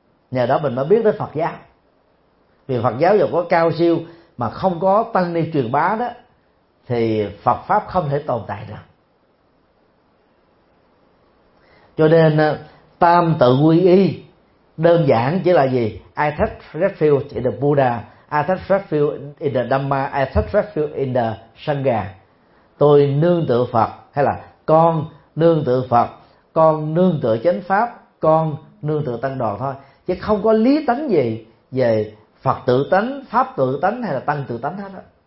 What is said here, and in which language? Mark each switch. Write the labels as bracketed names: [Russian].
[Vietnamese] Nhờ đó mình mới biết tới Phật giáo. Vì Phật giáo dù có cao siêu mà không có tăng ni truyền bá đó thì Phật pháp không thể tồn tại được. Cho nên tam tự quy y đơn giản chỉ là gì? [English] I touch refuge in the Buddha, I touch refuge in the Dhamma, I touch refuge in the Sangha. [Vietnamese] Tôi nương tựa Phật, hay là con nương tựa Phật, con nương tựa chánh pháp, con nương tựa tăng đoàn thôi, chứ không có lý tánh gì về Phật tự tánh, pháp tự tánh hay là tăng tự tánh hết đó.